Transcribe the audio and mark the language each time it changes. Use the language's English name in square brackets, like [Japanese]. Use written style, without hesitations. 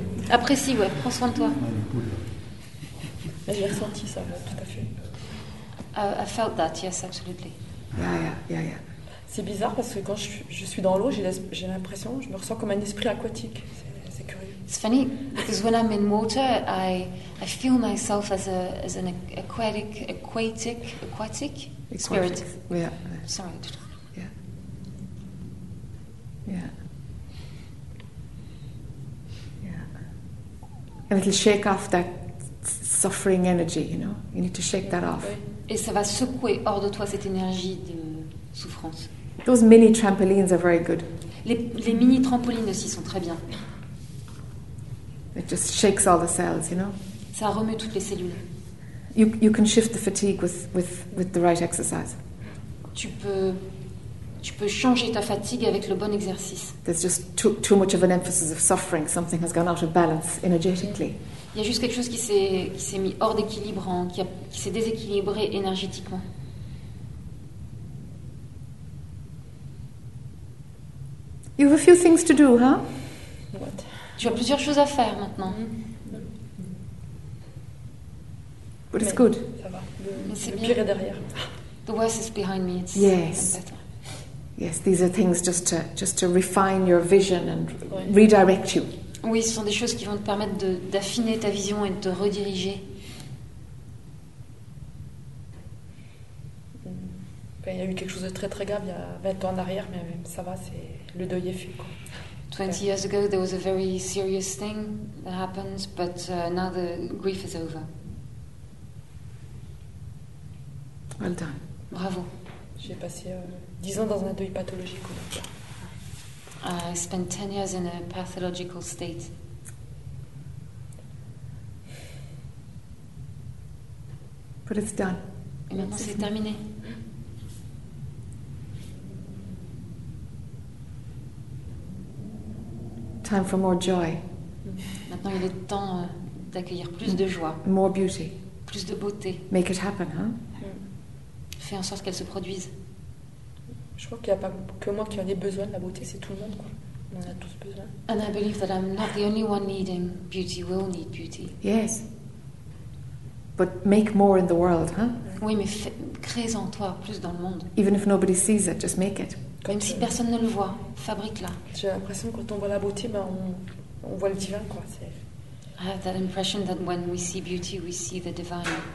[French] Apprécie, ouais. Prends soin de toi. J'ai ressenti ça, tout à fait. [English] I felt that. Yes, absolutely. Yeah. [French] C'est bizarre parce que quand je suis dans l'eau, j'ai l'impression, je me ressens comme un esprit aquatique. C'est curieux. [English] It's funny because when I'm in water, I feel myself as an aquatic spirit. Aquatic. Yeah. Sorry. Yeah. And it'll shake off that suffering energy, you know. You need to shake that off. [French] Et ça va secouer hors de toi cette énergie de souffrance. [English] Those mini trampolines are very good. [French] Les mini trampolines aussi sont très bien. [English] It just shakes all the cells, you know. [French] Ça remue toutes les cellules. [English] You can shift the fatigue with the right exercise. [French] Tu peux Tu peux changer ta fatigue avec le bon exercice. [English] There's just too much of an emphasis of suffering. Something has gone out of balance energetically. [French] Il y a juste quelque chose qui s'est mis hors d'équilibre, hein, qui s'est déséquilibré énergétiquement. [English] You have a few things to do, huh? What? [French] Tu as plusieurs choses à faire maintenant. Mm-hmm. [English] But it's good. [French] Ça va. Mais c'est le bien. Pire est derrière. [English] The worst is behind me. It's yes. Yes, these are things just to refine your vision and redirect you. [French] Oui, ce sont des choses qui vont te permettre d'affiner ta vision et de te rediriger. Ben, il y a eu quelque chose de très très grave il y a 20 ans en arrière, mais ça va, c'est le deuil est fait, quoi. [English] 20 years ago, there was a very serious thing that happened, but now the grief is over. Well done. [French] Bravo. J'ai passé 10 ans dans un deuil pathologique. [English] I spent 10 years in a pathological state. But it's done. [French] Et maintenant, c'est terminé. [English] Time for more joy. [French] Maintenant, il est temps d'accueillir plus de joie. [English] More beauty. [French] Plus de beauté. [English] Make it happen, hein? [French] Fais en sorte qu'elle se produise. Je crois qu'il n'y a pas que moi qui en ai besoin de la beauté, c'est tout le monde, quoi. On a tous besoin. [English] And I believe that I'm not the only one needing beauty. We all need beauty. Yes. But make more in the world, hein? [French] Oui, mais crée-en toi plus dans le monde. [English] Even if nobody sees it, just make it. [French] Même si personne ne le voit, fabrique-la. J'ai l'impression que quand on voit la beauté, ben on voit le divin, quoi. C'est... [English] I have that impression that when we see beauty, we see the divine.